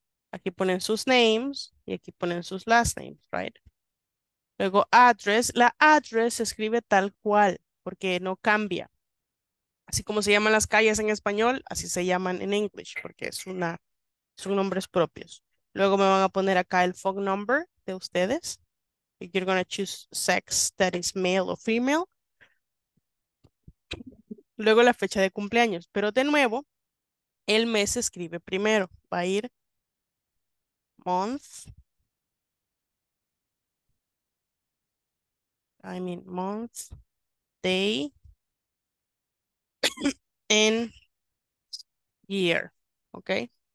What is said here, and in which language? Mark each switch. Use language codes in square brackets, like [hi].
[es] Aquí ponen sus names y aquí ponen sus last names, right? Luego address. La address se escribe tal cual porque no cambia. Así como se llaman las calles en español, así se llaman en English porque es una, son nombres propios. Luego me van a poner acá el phone number de ustedes. [en] You're going to choose sex, that is male or female. [es] Luego la fecha de cumpleaños. Pero de nuevo, el mes se escribe primero. Va a ir month. [en] I mean month, day, and year. Okay.